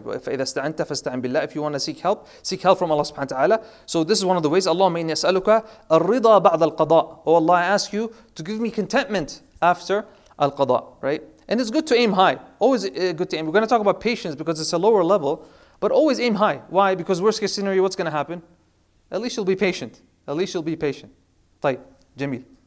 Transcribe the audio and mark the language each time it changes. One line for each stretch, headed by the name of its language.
Arabic: فَإِذَا سَأَنْتَ فَاسْتَعِنْ بِاللَّهِ,
English: if you want to seek help from Allah subhanahu wa ta'ala. So this is one of the ways.
Arabic: اللهم إني أسألك الرضا بعد القضاء.
English: Oh Allah, I ask you to give me contentment after القضاء, right? And it's good to aim high. Always good to aim. We're going to talk about patience because it's a lower level. But always aim high. Why? Because worst case scenario, what's going to happen? At least you'll be patient. At least you'll be patient.
Arabic: طيب, جميل.